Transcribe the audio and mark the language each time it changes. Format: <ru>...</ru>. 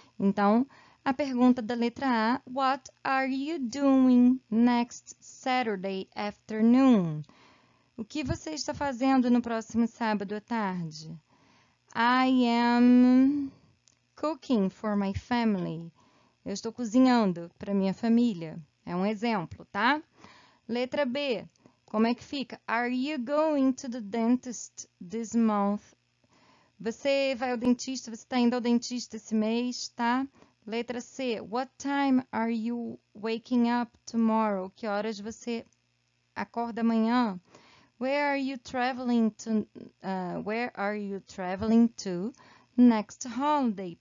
<pt>Então, a pergunta da letra A:</pt> <en>What are you doing next Saturday afternoon?</en> <pt>O que você está fazendo no próximo sábado à tarde?</pt> <en>I am cooking for my family.</en> <pt>Eu estou cozinhando para minha família. É um exemplo, tá? Letra B. Como é que fica?</pt> <en>Are you going to the dentist this month?</en> <pt>Você vai ao dentista? Você está indo ao dentista esse mês, tá?</pt> <en>Letra C. What time are you waking up tomorrow?</en> <pt>Que horas você acorda amanhã?</pt> <en>Where are you traveling to? Where are you traveling to next holiday?</en>